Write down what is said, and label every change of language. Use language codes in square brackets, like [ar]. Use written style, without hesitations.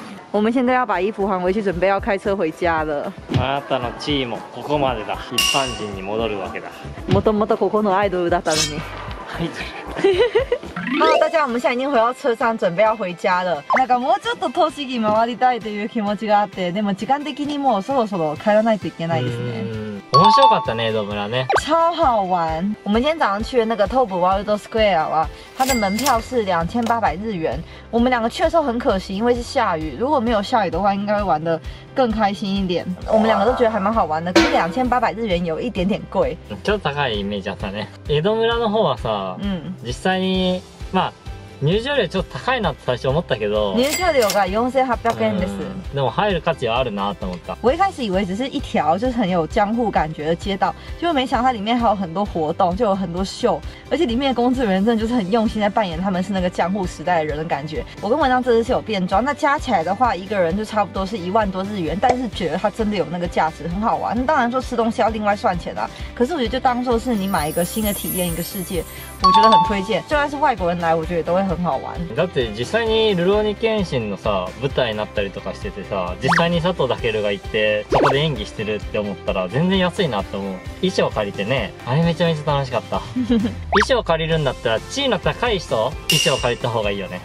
[zh] 我们现在要把衣服还回去，准备要开车回家了。 [ja] あなたの地位もここまでだ。一般人に戻るわけだ。もともとここのアイドルだったのに。アイドル。 [zh] Hello， 大家，我们现在已经回到车上，准备要回家了。 [ja] なんかもうちょっと栃木回りたいという気持ちがあって、でも時間的にもうそろそろ帰らないといけないですね。面白かったね、江戸村ね。 [zh] 超好玩。我们今天早上去的那个 Tobu World Square 啊，它的门票是2800日元。我们两个去的时候很可惜，因为是下雨。如果没有下雨的话，应该会玩得更开心一点。我们两个都觉得还蛮好玩的，可是2800日元有一点点贵。 [ja] ちょっと高いイメージだったね。江戸村の方はさ、実際にまあ入場料ちょっと高いなって最初思ったけど、入場料が4800円です。でも入る価値はあるなと思った。 [zh] 我一开始以为只是一条就是很有江户感觉的街道，就没想到它里面还有很多活动，就有很多秀，而且里面的工作人员真的就是很用心在扮演他们是那个江户时代的人的感觉。我跟文章这次是有变装，那加起来的话一个人就差不多是10000多日元，但是觉得它真的有那个价值，很好玩。那当然说吃东西要另外算钱啦，可是我觉得就当做是你买一个新的体验，一个世界，我觉得很推荐。就算是外国人来，我觉得也都会很。很好玩。 [ja] だって実際にルローニケンシンのさ舞台になったりとかしててさ、実際に佐藤健が行ってそこで演技してるって思ったら全然安いなって思う。衣装借りてね、あれめちゃめちゃ楽しかった衣装借りるんだったら地位の高い人衣装借りた方がいいよね。